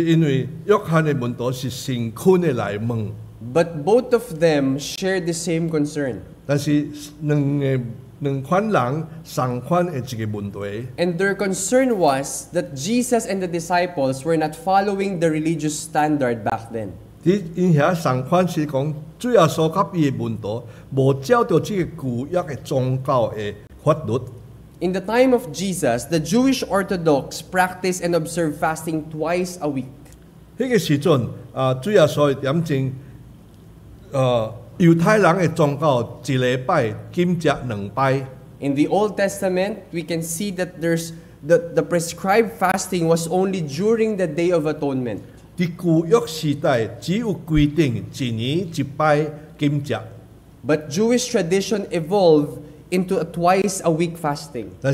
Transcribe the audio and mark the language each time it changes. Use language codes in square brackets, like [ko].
[nan] 这个约翰的门徒跟法利赛人无相同，是因为约翰的门徒是诚恳的来问。 [en] But both of them shared the same concern. [nan] 但是两款人同款的一个问题。 [en] And their concern was that Jesus and the disciples were not following the religious standard back then. [nan] 他们那同款是说，主耶稣跟他们的门徒无照着这个旧约的宗教的法律。 [en] In the time of Jesus, the Jewish Orthodox practiced and observed fasting twice a week. [nan] 那个时阵，主要说点正，犹太人的宗教一礼拜禁食两拜。 [en] In the Old Testament, we can see that there's the prescribed fasting was only during the Day of Atonement. [nan] 在旧约时代，只有规定一年一拜禁食。 [en] But Jewish tradition evolved into a twice a week fasting.